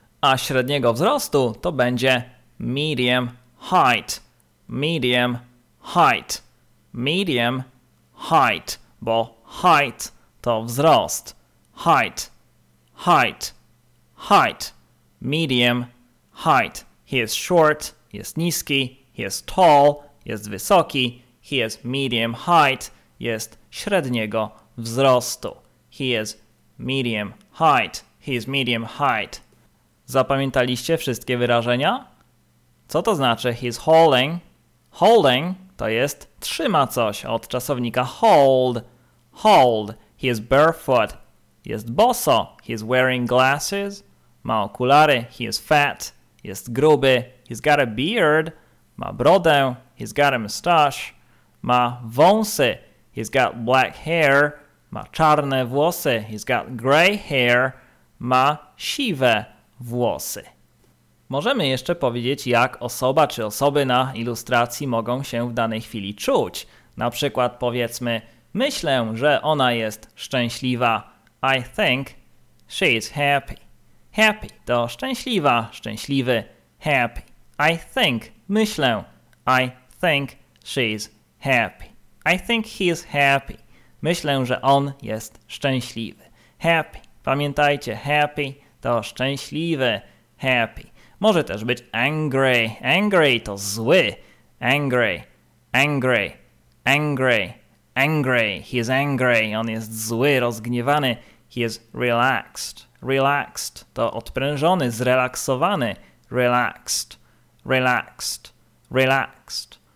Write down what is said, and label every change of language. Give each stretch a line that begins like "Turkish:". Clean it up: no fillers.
Polish: A średniego wzrostu to będzie
English: medium height, medium height, medium height,
Polish: bo
English: height
Polish: to wzrost,
English: height, height, height, medium height. He is short,
Polish: jest niski,
English: he is tall,
Polish: jest wysoki,
English: he is medium height,
Polish: jest średniego wzrostu.
English: He is medium height, he is medium height.
Polish: Zapamiętaliście wszystkie wyrażenia? Co to znaczy
English: he's holding?
Polish: Holding to jest trzyma coś od czasownika hold.
English: Hold. He is barefoot.
Polish: Jest boso.
English: He is wearing glasses.
Polish: Ma okulary.
English: He is fat.
Polish: Jest gruby.
English: He's got a beard.
Polish: Ma brodę.
English: He's got a mustache.
Polish: Ma wąsy.
English: He's got black hair.
Polish: Ma czarne włosy.
English: He's got gray hair.
Polish: Ma siwe włosy. Możemy jeszcze powiedzieć, jak osoba czy osoby na ilustracji mogą się w danej chwili czuć. Na przykład powiedzmy, myślę, że ona jest szczęśliwa.
English: I think she is happy.
Polish: Happy to szczęśliwa, szczęśliwy,
English: happy. I think,
Polish: myślę,
English: I think she is happy. I think he is happy.
Polish: Myślę, że on jest szczęśliwy. Happy. Pamiętajcie, happy to szczęśliwy, happy. Może też być angry. Angry to zły.
English: Angry, angry, angry, angry. He is angry.
Polish: On jest zły, rozgniewany.
English: He is relaxed.
Polish: Relaxed to odprężony, zrelaksowany.
English: Relaxed, relaxed, relaxed.